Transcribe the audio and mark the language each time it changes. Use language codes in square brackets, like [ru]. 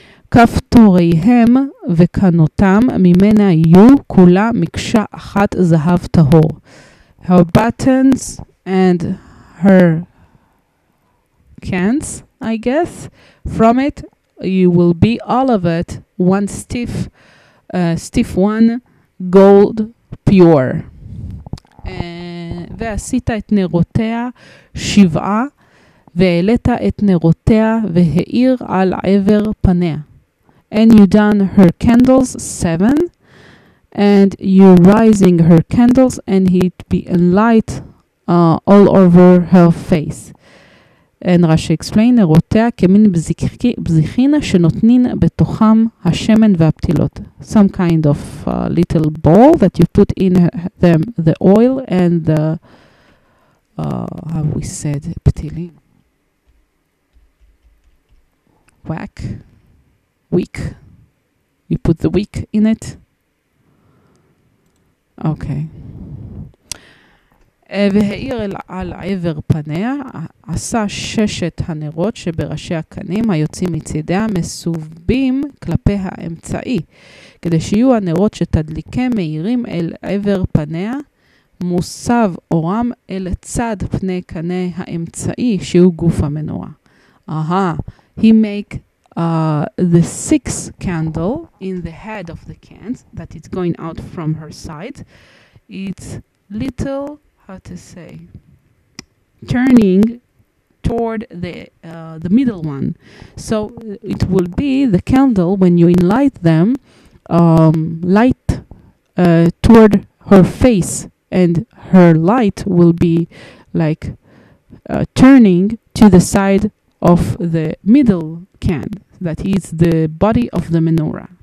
[he] כפתוריהם וקנותם ממנה יהיו כולה מקשה אחת זהב טהור. [en] Her buttons and her cans, I guess, from it, you will be all of it one stiff one, gold pure. [he] ועשית את נרותיה שבעה והעלית את נרותיה והאיר על עבר פניה. [en] And you done her candles 7, and you rising her candles, and it be a light all over her face. And Rashi explained, [he] נרותיה כמין בזכין שנותנים בתוכם השמן והפתילות. [en] Some kind of little bowl that you put in them the oil and the, how we said, ptilin. Whack. Week. You put the week in it. Okay. [he] והאיר על עבר פניה, עשה ששת הנרות שבראשי הקנים היוצאים מצידיה מסובים כלפי האמצעי, כדי שיהיו הנרות שתדליקה מאירים אל עבר פניה, מוסב אורם אל צד פני קנה האמצעי שהוא גוף המנורה. [en] Aha, he make the 6 candle in the head of the cans that is going out from her side, it's little, how to say, turning toward the middle one, so it will be the candle when you light them light toward her face, and her light will be like turning to the side of the middle can, that is the body of the menorah.